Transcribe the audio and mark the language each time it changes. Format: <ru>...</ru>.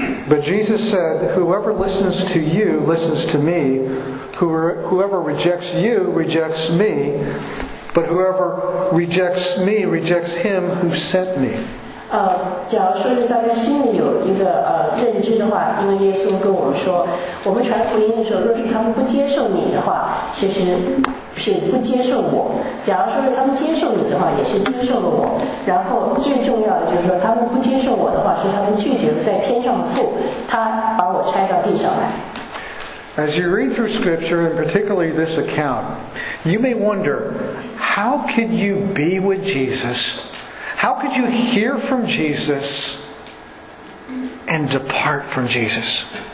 <en>But Jesus said, whoever listens to you listens to me, whoever rejects you rejects me, but whoever rejects me rejects him who sent me.</en> <zh>假如说是大家心里有一个认知的话，因为耶稣跟我们说，我们传福音的时候，若是他们不接受你的话，其实是不接受我。假如说是他们接受你的话，也是接受了我。然后最重要的就是说，他们不接受我的话，是他们拒绝了在天上的父，他把我拆到地上来。</zh> <en>As you read through scripture, and particularly this account, you may wonder, how could you be with Jesus? How could you hear from Jesus and depart from Jesus?</en>